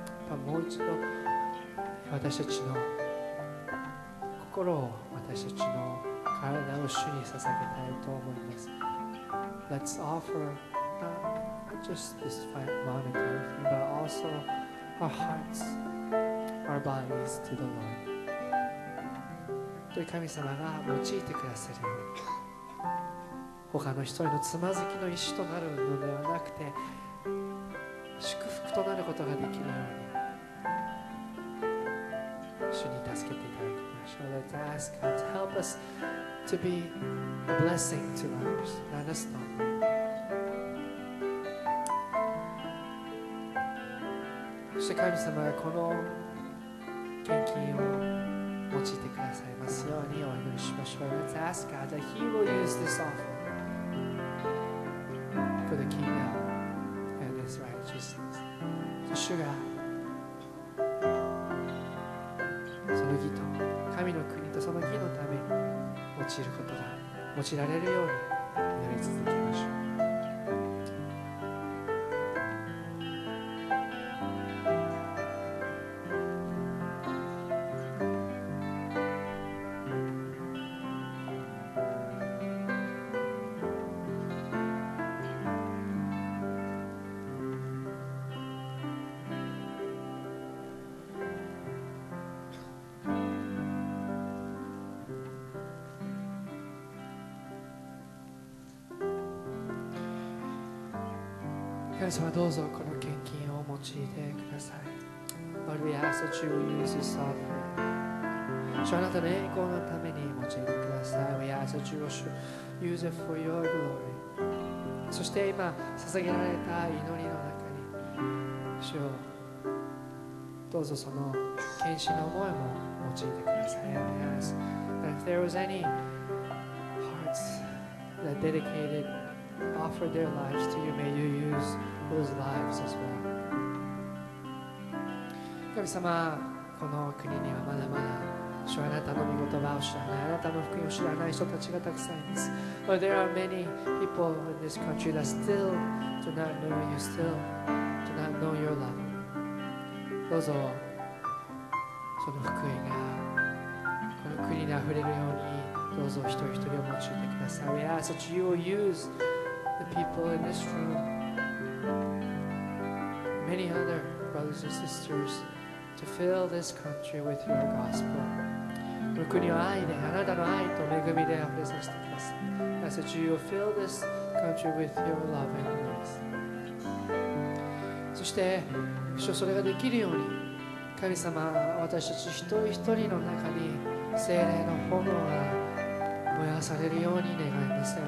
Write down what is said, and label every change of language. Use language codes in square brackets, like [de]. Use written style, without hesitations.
[ja] But もう一度私たちの心を私たちの体を主に捧げたいと思います。 [en] Let's offer not just this monetary thing, but also our hearts, our bodies to the Lord. [ja] 神様が用いてくださるように、他の人のつまずきの石となるのではなくて、祝福となることができるように、主に助けていただきましょう。 [en] Let's ask God to help us. To be a blessing to others. Let us know. [ja] そして神様がこの献金を用いてくださいますようにお祈りしましょう。 [en] Let's ask God that He will use this offering for the kingdom and His righteousness. [ja] そして主がその義と神の国とその義のために用いることが用いられるように祈り続けましょう。神様どうぞこの献金を用いてください。 [en] Lord, we ask that you will use this offering. [ja] 主あなたの栄光のために用いてください。 [en] We ask that you will use it for your glory. [ja] そして今捧げられた祈りの中に主よどうぞその献身の思いも用いてください。 [en] We ask that if there was any hearts that dedicated offered their lives to you, may you use those lives as well. [ja] 神様、この国にはまだまだ主あなたの御言葉を知らない、あなたの福音を知らない人たちがたくさんいます。 Lord, there are many people in this country that still do not know you, still do not know your love. どうぞその福音がこの国にあふれるように、どうぞ一人一人を用いてください。 [en] We ask that you will use the people in this room, many other brothers and sisters, to fill this country with your gospel. [ja] この国を愛で、あなたの愛と恵みで溢れさせてください。 [en] I said, you will fill this country with your love and grace. [ja] そして、それができるように、神様、私たち一人一人の中に聖霊の炎が燃やされるように願います。